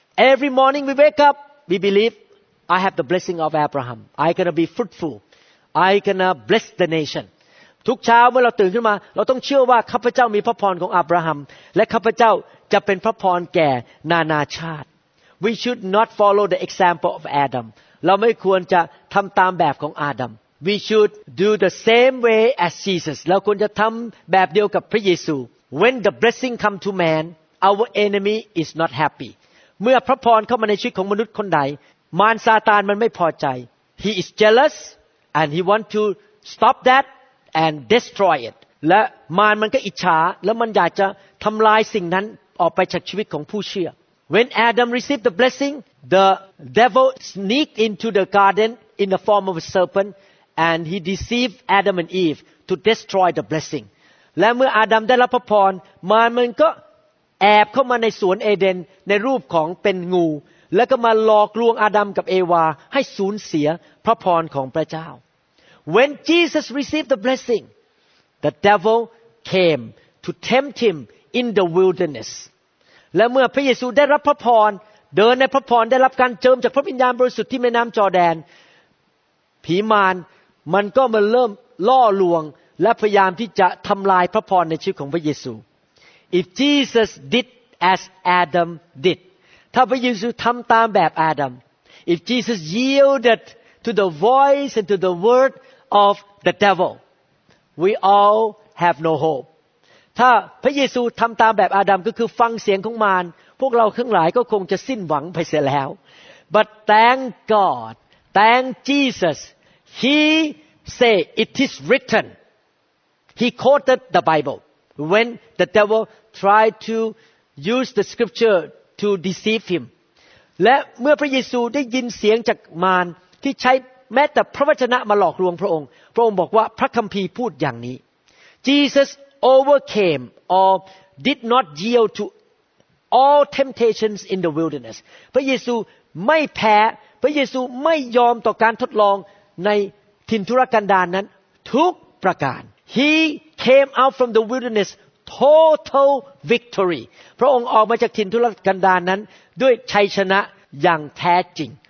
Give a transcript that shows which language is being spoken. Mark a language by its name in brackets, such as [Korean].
[English] Every morning we wake up, we believeI have the blessing of Abraham. I'm going to be fruitful. I'm going to bless the nation. [Thai] ทุกเช้าเมื่อเราตื่นขึ้นมาเราต้องเชื่อว่าข้าพเจ้ามีพระพรของอับราฮัมและข้าพเจ้าจะเป็นพระพรแก่นานาชาติ [English] We should not follow the example of Adam. [Thai] เราไม่ควรจะทำตามแบบของอาดัม [English] We should do the same way as Jesus. [Thai] เราควรจะทำแบบเดียวกับพระเยซู [English] When the blessing come to man, our enemy is not happy. [Thai] เมื่อพระพรเข้ามาในชีวิตของมนุษย์คนใดมารซาตานมันไม่พอใจ [English] He is jealous and he want to stop that and destroy it [Thai] และมารมันก็อิจฉาแล้วมันอยากจะทำลายสิ่งนั้นออกไปจากชีวิตของผู้เชื่อ [English] When Adam received the blessing the devil sneaked into the garden in the form of a serpent and he deceived Adam and Eve to destroy the blessing [Thai] และเมื่ออาดัมได้รับพระพรมารมันก็แอบเข้ามาในสวนเอเดนในรูปของเป็นงูแล้วก็มาหลอกลวงอาดัมกับเอวาให้สูญเสียพระพรของพระเจ้า [English] When Jesus received the blessing the devil came to tempt him in the wilderness [Thai] และเมื่อพระเยซูได้รับพระพรเดินในพระพรได้รับการเจิมจากพระวิญญาณบริสุทธิ์ที่แม่น้ำจอร์แดนผีมารมันก็มาเริ่มล่อลวงและพยายามที่จะทำลายพระพรในชีวิตของพระเยซู [English] If Jesus did as Adam did [Thai] ถ้าพระเยซูทำตามแบบอาดัม [English] if Jesus yielded to the voice and to the word of the devil we all have no hope [Thai] ถ้าพระเยซูทำตามแบบอาดัมก็คือฟังเสียงของมารพวกเราทั้งหลายก็คงจะสิ้นหวังไปเสียแล้ว [English] but thank God thank Jesus he say it is written he quoted the Bible when the devil tried to use the scriptureto deceive him [Thai] และเมื่อพระเยซูได้ยินเสียงจากมารที่ใช้แม้แต่พระวจนะมาหลอกลวงพระองค์พระองค์บอกว่าพระคัมภีร์พูดอย่างนี้ [English] Jesus overcame or did not yield to all temptations in the wilderness [Thai] พระเยซูไม่แพ้พระเยซูไม่ยอมต่อการทดลองในถิ่นทุรกันดารนั้นทุกประการ [English] He came out from the wildernessTotal victory. [Thai] พระองค์ออกมาจากถิ่นทุรกันดารนั้นด้วยชัยชนะอย่างแท้จริง